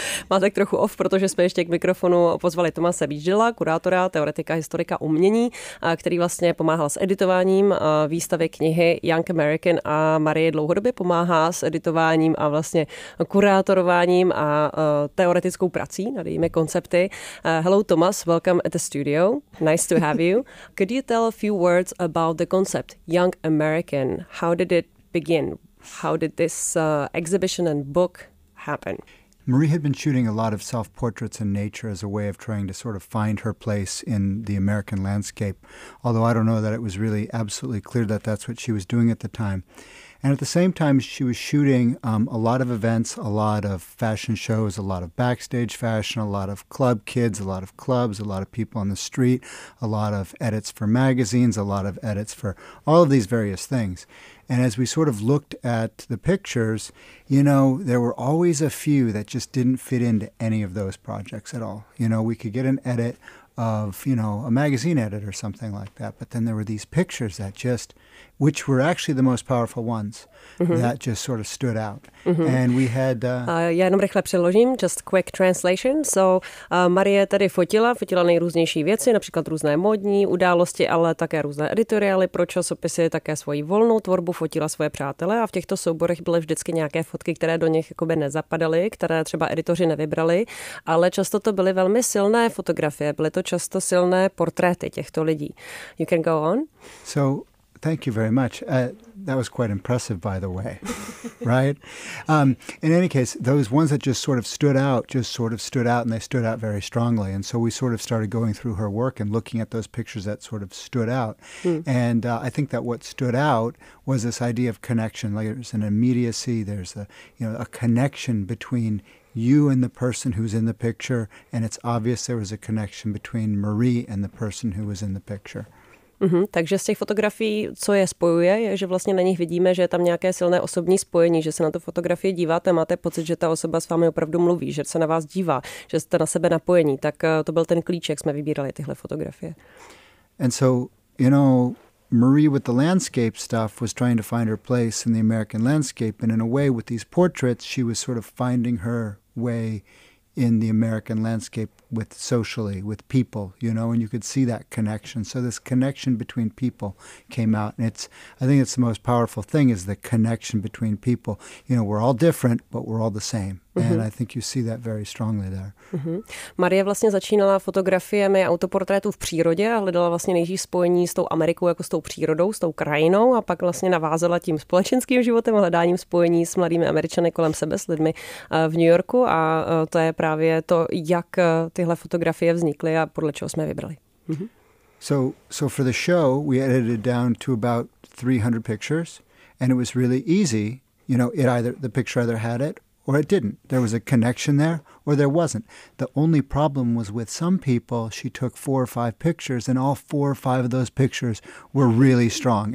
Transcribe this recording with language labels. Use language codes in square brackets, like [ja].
[cs] Má tak trochu off, protože jsme ještě k mikrofonu pozvali Tomase Beachdale, kurátora, teoretika, historika umění, který vlastně pomáhal s editováním výstavy knihy Young American, a Marie dlouhodobě pomáhá s editováním a vlastně kurátorováním a teoretickou prací, nadejme koncepty. [en] Hello Thomas, welcome at the studio. Nice to have you. Could you tell a few words about the concept Young American? How did it begin? How did this exhibition and book happen? Marie had been shooting a lot of self-portraits in nature as a way of trying to sort of find her place in the American landscape, although I don't know that it was really absolutely clear that that's what she was doing at the time. And at the same time, she was shooting a lot of events, a lot of fashion shows, a lot of backstage fashion, a lot of club kids, a lot of clubs, a lot of people on the street, a lot of edits for magazines, a lot of edits for all of these various things. And as we sort of looked at the pictures, you know, there were always a few that just didn't fit into any of those projects at all. You know, we could get an edit of, you know, a magazine edit or something like that. But then there were these pictures that just, which were actually the most powerful ones, that just sort of stood out. And we had... [cs] Já jenom rychle přeložím, [en] just quick translation. [cs] So Marie tady fotila nejrůznější věci, například různé módní události, ale také různé editoriály pro časopisy, také svoji volnou tvorbu, fotila svoje přátele, a v těchto souborech byly vždycky nějaké fotky, které do nich jakoby nezapadaly, které třeba editoři nevybrali, ale často to byly velmi silné fotografie, byly to často silné portréty těchto lidí. [en] You can go on. So... Thank you very much. That was quite impressive, by the way, right? In any case, those ones that just sort of stood out, and they stood out very strongly. And so we sort of started going through her work and looking at those pictures that sort of stood out. And I think that what stood out was this idea of connection. Like, there's an immediacy, there's a, you know, a connection between you and the person who's in the picture, and it's obvious there was a connection between Marie and the person who was in the picture. Mm-hmm. [cs] Takže z těch fotografií, co je spojuje, je, že vlastně na nich vidíme, že je tam nějaké silné osobní spojení, že se na tu fotografii díváte, máte pocit, že ta osoba s vámi opravdu mluví, že se na vás dívá, že jste na sebe napojení. Tak to byl ten klíč, jak jsme vybírali tyhle fotografie. [en] And so, you know, Marie with the landscape stuff was trying to find her place in the American landscape, and in a way with these portraits, she was sort of finding her way in the American landscape with socially, with people, you know, and you could see that connection. So this connection between people came out, and it's, I think it's the most powerful thing is the connection between people. You know, we're all different, but we're all the same. And I think you see that very strongly there. [cs] Marie vlastně začínala fotografiemi autoportrétů v přírodě a hledala vlastně nejdřív spojení s tou Amerikou jako s tou přírodou, s tou krajinou, a pak vlastně navázala tím společenským životem a hledáním spojení s mladými Američany kolem sebe, s lidmi v New Yorku, a to je právě to, jak tyhle fotografie vznikly a podle čeho jsme vybrali. [en] So for the show we edited down to about 300 pictures, and it was really easy. You know, it either the picture either had it or it didn't. There was a connection there, or there wasn't. The only problem was with some people, she took four or five pictures, and all four or five of those pictures were really strong.